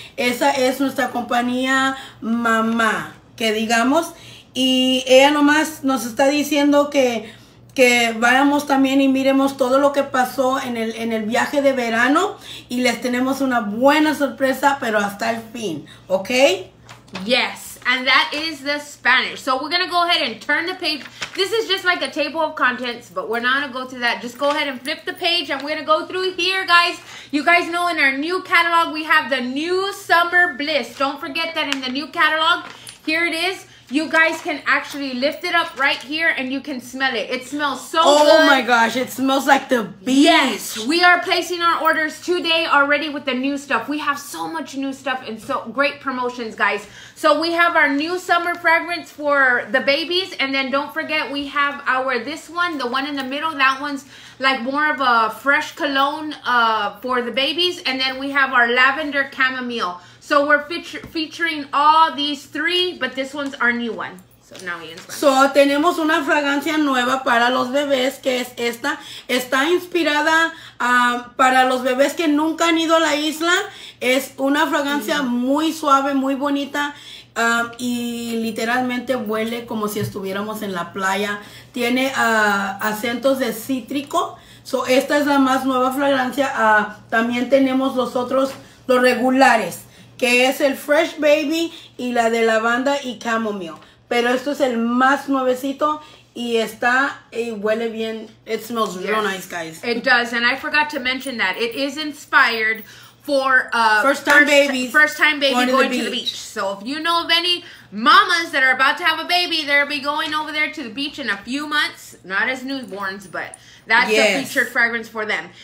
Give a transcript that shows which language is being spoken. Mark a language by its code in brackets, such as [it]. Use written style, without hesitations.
[es] Esa es nuestra compañía mamá, que digamos. Y ella nomás nos está diciendo que vayamos también y miremos todo lo que pasó en el viaje de verano. Y les tenemos una buena sorpresa, pero hasta el fin. ¿Ok? [en] Yes. And that is the Spanish. So we're going to go ahead and turn the page. This is just like a table of contents, but we're not going to go through that. Just go ahead and flip the page, and we're going to go through here, guys. You guys know in our new catalog, we have the new Summer Bliss. Don't forget that in the new catalog, here it is. You guys can actually lift it up right here and you can smell it. It smells so good. Oh my gosh, it smells like the beach. Yes, we are placing our orders today already with the new stuff. We have so much new stuff and so great promotions, guys. So we have our new summer fragrance for the babies. And then don't forget, we have our this one, the one in the middle. That one's like more of a fresh cologne for the babies. And then we have our lavender chamomile. So we're featuring all these three, but this one's our new one. [es] So now So tenemos una fragancia nueva para los bebés que es esta. Está inspirada para los bebés que nunca han ido a la isla. Es una fragancia muy suave, muy bonita. Y literalmente huele como si estuviéramos en la playa. Tiene acentos de cítrico. So esta es la más nueva fragancia. También tenemos los otros, los regulares, que es el Fresh Baby y la de lavanda y chamomile. Pero esto es el más nuevecito y está y huele bien. [en] It smells real nice, guys. It does, and I forgot to mention that. It is inspired for first time baby going to the beach. So if you know of any mamas that are about to have a baby, they'll be going over there to the beach in a few months. Not as newborns, but that's a featured fragrance for them.